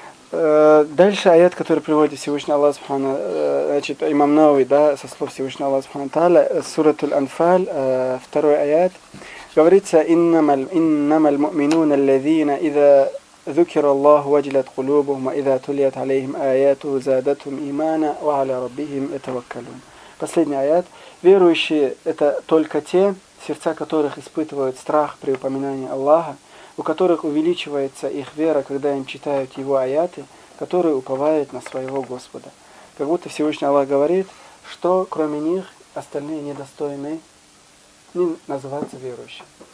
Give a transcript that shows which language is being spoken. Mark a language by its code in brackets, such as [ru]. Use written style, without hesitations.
[ru] Дальше аят, который приводит Всевышний Аллах Субхана, значит, имам Науи, да, со слов Всевышнего Аллаха Субхана Тааля, сурату аль-Анфаль, второй аят. [ar] Говорится: «Иннама аль-муминуна аль-лазина иза ذُكِرَ اللَّهُ وَجِلَتْ قُلُوبُهُمْ وَإِذَا تُلِيَتْ عَلَيْهِمْ آيَاتُهُ زَادَتْهُمْ إِيمَانًا وَعَلَى رَبِّهِمْ يَتَوَكَّلُونَ». [ru] Последний аят. Верующие – это только те, сердца которых испытывают страх при упоминании Аллаха, у которых увеличивается их вера, когда им читают его аяты, которые уповают на своего Господа. Как будто Всевышний Аллах говорит, что кроме них остальные недостойны не называться верующими.